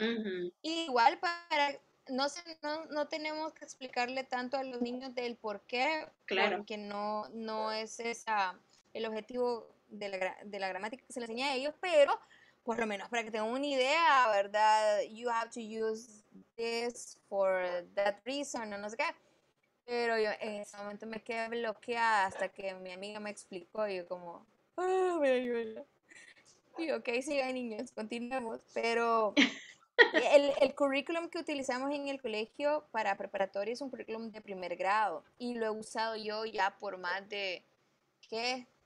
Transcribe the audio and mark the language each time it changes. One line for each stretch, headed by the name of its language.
Spanish: Uh-huh. Igual para no tenemos que explicarle tanto a los niños del por qué, claro, porque no es esa el objetivo de la gramática que se le enseña a ellos, pero por lo menos para que tengan una idea, ¿verdad?
English: You have to use this for that reason,
Spanish: no sé qué. Pero yo en ese momento me quedé bloqueada hasta que mi amiga me explicó y yo como, ¡ah, me ayuda! Y yo, ok, sigue, niños, continuemos. Pero el currículum que utilizamos en el colegio para preparatoria es un currículum de primer grado y lo he usado yo ya por más de, ¿qué?